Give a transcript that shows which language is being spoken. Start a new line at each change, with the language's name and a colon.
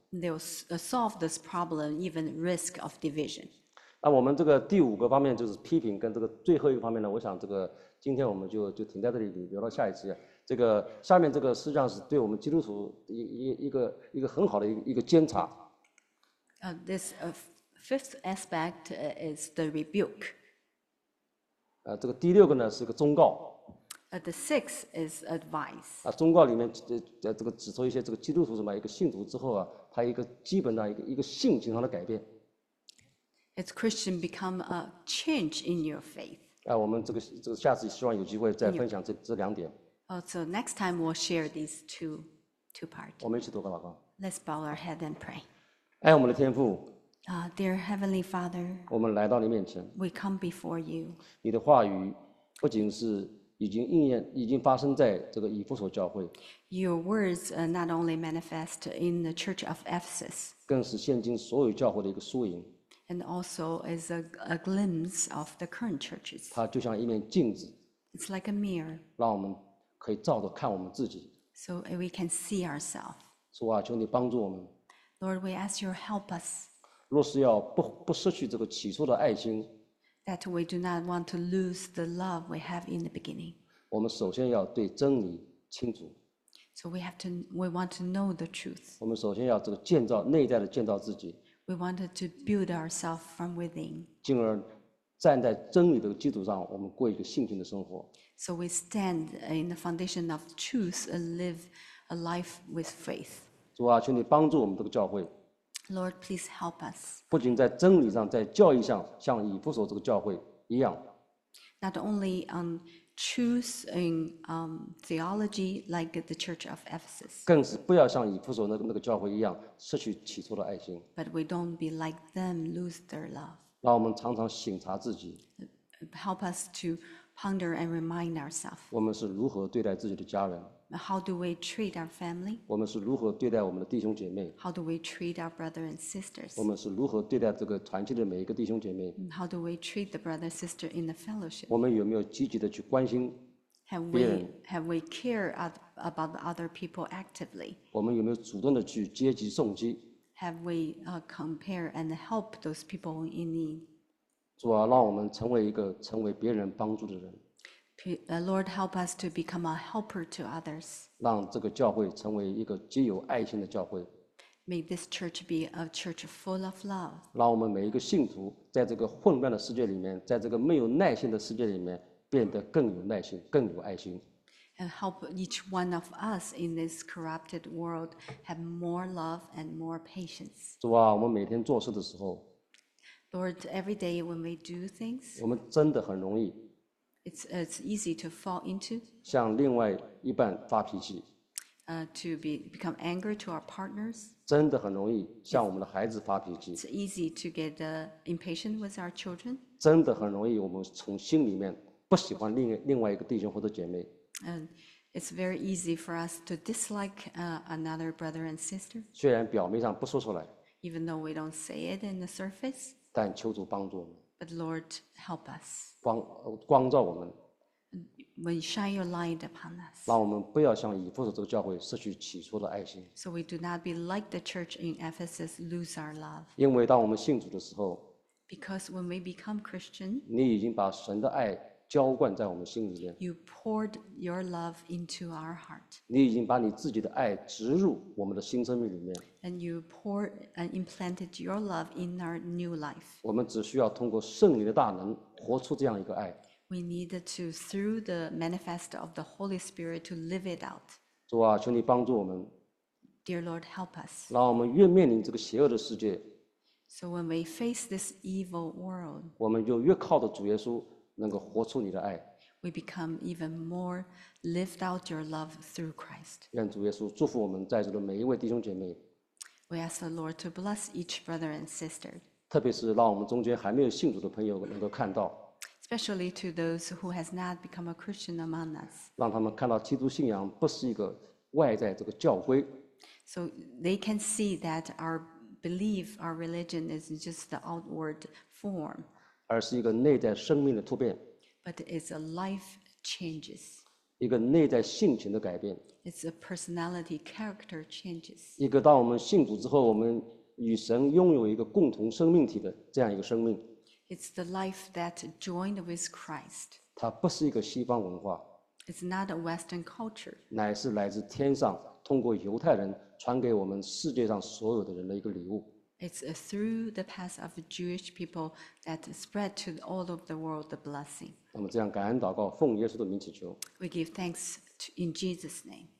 English: They'll solve this problem even risk of division.
Chinese: 那我们这个第五个方面就是批评跟这个最后一个方面呢，我想这个今天我们就停在这里，留到下一期。这个下面这个实际上是对我们基督徒一个很好的一个监察。
English: This fifth aspect is the rebuke.
Chinese: 这个第六个呢是个忠告。
English: The sixth is advice.
Chinese: 忠告里面这个指出一些这个基督徒什么一个信徒之后啊，他一个基本的一个性情上的改变。
English: It's Christian become a change in your faith.
Chinese: 我们这个下次希望有机会再分享这两点。
English: So next time we'll share these two parts.
Chinese: 我们一起读个祷告。
English: Let's bow our head and pray.
Chinese: 爱我们的天父。
English: Dear Heavenly Father.
Chinese: 我们来到你面前。
English: We come before you.
Chinese: 你的话语不仅是已经应验，已经发生在这个以弗所教会。
English: Your words not only manifest in the Church of Ephesus.
Chinese: 更是现今所有教会的一个缩影。
English: And also is a glimpse of the current churches.
Chinese: 它就像一面镜子。
English: It's like a mirror.
Chinese: 让我们可以照着看我们自己。
English: So we can see ourselves.
Chinese: 主啊，求你帮助我们。
English: Lord, we ask you help us.
Chinese: 若是要不失去这个起初的爱心。
English: That we do not want to lose the love we have in the beginning.
Chinese: 我们首先要对真理清楚。
English: So we have to, we want to know the truth.
Chinese: 我们首先要这个建造内在的建造自己。
English: We wanted to build ourselves from within.
Chinese: 进而站在真理的基础上，我们过一个信心的生活。
English: So we stand in the foundation of truth and live a life with faith.
Chinese: 主啊，求你帮助我们这个教会。
English: Lord, please help us.
Chinese: 不仅在真理上，在教义上，像以弗所这个教会一样。
English: Not only on truth in theology like the Church of Ephesus.
Chinese: 更是不要像以弗所那个教会一样，失去起初的爱心。
English: But we don't be like them, lose their love.
Chinese: 让我们常常省察自己。
English: Help us to ponder and remind ourselves.
Chinese: 我们是如何对待自己的家人？
English: How do we treat our family?
Chinese: 我们是如何对待我们的弟兄姐妹？
English: How do we treat our brothers and sisters?
Chinese: 我们是如何对待这个团契的每一个弟兄姐妹？
English: How do we treat the brother and sister in the fellowship?
Chinese: 我们有没有积极的去关心别人？
English: Have we care about other people actively?
Chinese: 我们有没有主动的去接济送济？
English: Have we compare and help those people in need?
Chinese: 主啊，让我们成为一个成为别人帮助的人。
English: Lord, help us to become a helper to others.
Chinese: 让这个教会成为一个极有爱心的教会。
English: May this church be a church full of love.
Chinese: 让我们每一个信徒在这个混乱的世界里面，在这个没有耐心的世界里面，变得更有耐心，更有爱心。
English: And help each one of us in this corrupted world have more love and more patience.
Chinese: 主啊，我们每天做事的时候
English: ，Lord, every day when we do things,
Chinese: 我们真的很容易。
English: It's easy to fall into.
Chinese: 向另外一半发脾气。
English: To become angry to our partners.
Chinese: 真的很容易向我们的孩子发脾气。
English: It's easy to get impatient with our children.
Chinese: 真的很容易我们从心里面不喜欢另外一个弟兄或者姐妹。
English: It's very easy for us to dislike another brother and sister.
Chinese: 虽然表面上不说出来。
English: Even though we don't say it in the surface.
Chinese: 但求主帮助我们。
English: But Lord, help us.
Chinese: 光照我们。
English: When you shine your light upon us.
Chinese: 让我们不要像以弗所这个教会失去起初的爱心。
English: So we do not be like the church in Ephesus, lose our love.
Chinese: 因为当我们信主的时候。
English: Because when we become Christian.
Chinese: 你已经把神的爱浇灌在我们心里面。
English: You poured your love into our heart.
Chinese: 你已经把你自己的爱植入我们的新生命里面。
English: And you poured and implanted your love in our new life.
Chinese: 我们只需要通过圣灵的大能活出这样一个爱。
English: We need to, through the manifest of the Holy Spirit, to live it out.
Chinese: 主啊，求你帮助我们。
English: Dear Lord, help us.
Chinese: 让我们越面临这个邪恶的世界。
English: So when we face this evil world,
Chinese: 我们就越靠着主耶稣。能够活出你的爱。
English: We become even more lived out your love through Christ.
Chinese: 愿主耶稣祝福我们在座的每一位弟兄姐妹。
English: We ask the Lord to bless each brother and sister.
Chinese: 特别是让我们中间还没有信主的朋友能够看到。
English: Especially to those who has not become a Christian among us.
Chinese: 让他们看到基督信仰不是一个外在这个教规。
English: So they can see that our belief, our religion is just the outward form.
Chinese: 而是一个内在生命的突变
English: ，But it's a life changes.
Chinese: 一个内在性情的改变
English: ，It's a personality character changes.
Chinese: 一个当我们信主之后，我们与神拥有一个共同生命体的这样一个生命
English: ，It's the life that joined with Christ.
Chinese: 它不是一个西方文化
English: ，It's not a Western culture.
Chinese: 乃是来自天上，通过犹太人传给我们世界上所有的人的一个礼物。
English: It's through the path of Jewish people that spread to all of the world the blessing.
Chinese: 我们这样感恩祷告，奉耶稣的名祈求。
English: We give thanks in Jesus' name.